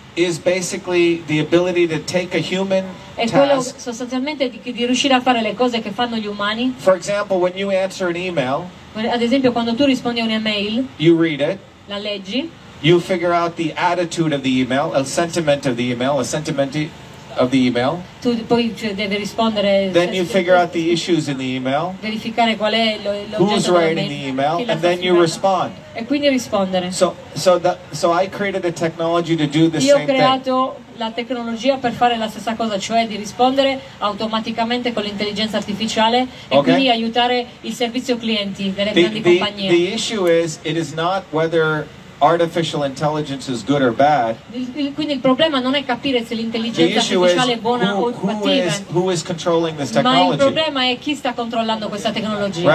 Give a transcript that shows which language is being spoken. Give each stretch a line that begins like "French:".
English: is basically the ability to take a human
Italian: è quello sostanzialmente di riuscire a fare le cose che fanno gli umani.
English: For example, when you answer an email,
Italian: ad esempio quando tu rispondi a un'email,
English: you read it,
Italian: la leggi,
English: you figure out the attitude of the email, a sentiment of the email,
Italian: tu poi deve rispondere,
English: then you figure out the issues in the email,
Italian: verificare qual è
English: who's writing the email, and then you respond.
Italian: E quindi rispondere.
English: So I created a technology to do the same thing.
Italian: Io ho creato la tecnologia per fare la stessa cosa, cioè di rispondere automaticamente con l'intelligenza artificiale e
English: okay.
Italian: Quindi aiutare il servizio clienti delle grandi compagnie.
English: The issue is, it is not whether artificial intelligence is good or bad.
Italian: Quindi il problema non è capire se l'intelligenza artificiale è buona o cattiva.
English: Who is controlling this technology?
Italian: Ma il problema è chi sta controllando questa tecnologia.